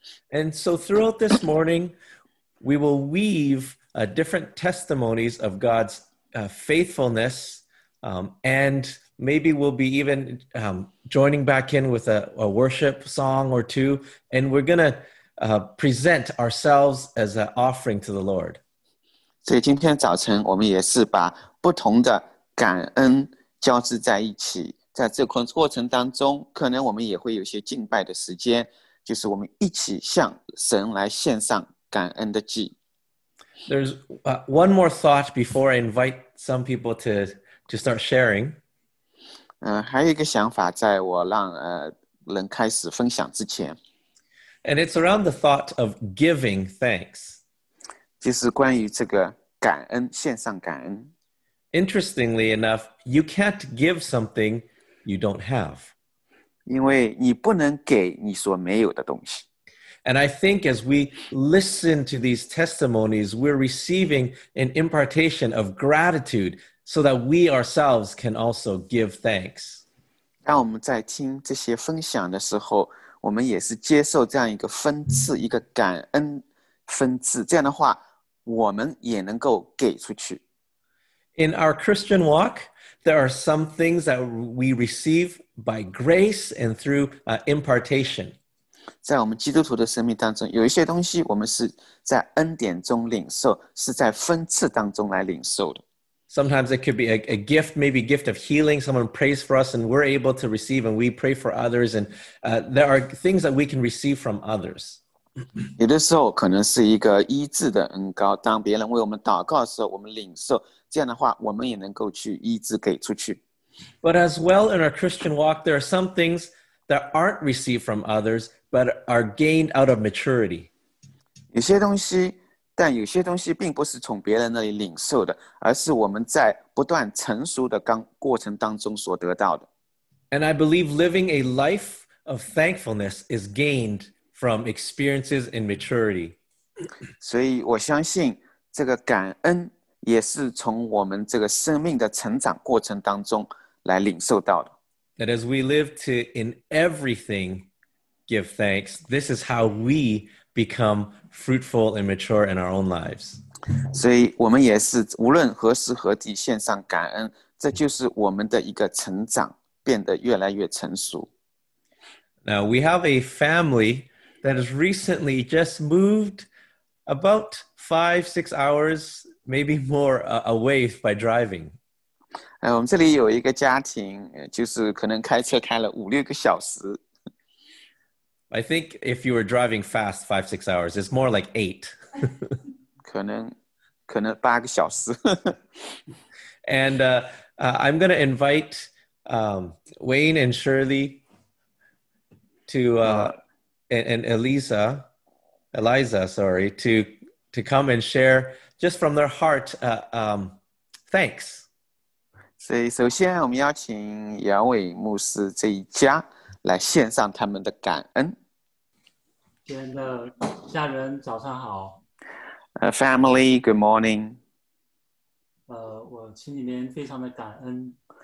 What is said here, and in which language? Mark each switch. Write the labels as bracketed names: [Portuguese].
[English] And so throughout this morning, we will weave different testimonies of God's faithfulness, and maybe we'll be even joining back in with a worship song or two, and we're going to present ourselves as an offering to the Lord. [Chinese] 所以今天早晨我们也是把不同的感恩交织在一起，在这个过程当中，可能我们也会有些敬拜的时间，就是我们一起向神来献上感恩的祭。 [English] There's one more thought before I invite some people to start sharing. [Chinese] 还有一个想法，在我让人开始分享之前。 [English] And it's around the thought of giving thanks. [Chinese] 就是关于这个感恩，献上感恩。 [English] Interestingly enough, you can't give something you don't have. [Chinese] 因为你不能给你所没有的东西。 [English] And I think as we listen to these testimonies, we're receiving an impartation of gratitude so that we ourselves can also give thanks. [Chinese] 当我们在听这些分享的时候，我们也是接受这样一个分赐，一个感恩分赐，这样的话，我们也能够给出去。 [English] In our Christian walk, There are some things that we receive by grace and through impartation. [Chinese] 在我们基督徒的生命当中，有一些东西我们是在恩典中领受，是在分赐当中来领受的。 [English] Sometimes it could be a gift, maybe a gift of healing. Someone prays for us and we're able to receive and we pray for others. And there are things that we can receive from others. [Chinese] 有的时候可能是一个医治的恩膏，当别人为我们祷告的时候，我们领受，这样的话我们也能够去医治给出去。 [English] But as well in our Christian walk, there are some things that aren't received from others, but are gained out of maturity. [Chinese] 有些东西但有些东西并不是从别人那里领受的，而是我们在不断成熟的过程当中所得到的。 [English] And I believe living a life of thankfulness is gained from experiences in maturity. [Chinese] 所以我相信这个感恩也是从我们这个生命的成长过程当中来领受到的。 [English] That as we live to in everything give thanks, this is how we become fruitful and mature in our own lives. [Chinese] 所以我们也是无论何时何地献上感恩，这就是我们的一个成长，变得越来越成熟。 [English] Now we have a family that has recently just moved about 5-6 hours, maybe more, away by driving. [Chinese] 我们这里有一个家庭，就是可能开车开了5-6个小时。 [English] I think if you were driving fast 5-6 hours, it's more like 8. [Chinese] 可能8个小时。 [English] And I'm going to invite Wayne and Shirley to, and Eliza, to come and share just from their heart, thanks. [Chinese] 所以首先我们邀请杨伟牧师这一家来献上他们的感恩。亲爱的家人早上好。 [English] Family, good morning. [Chinese] 我心里面非常的感恩。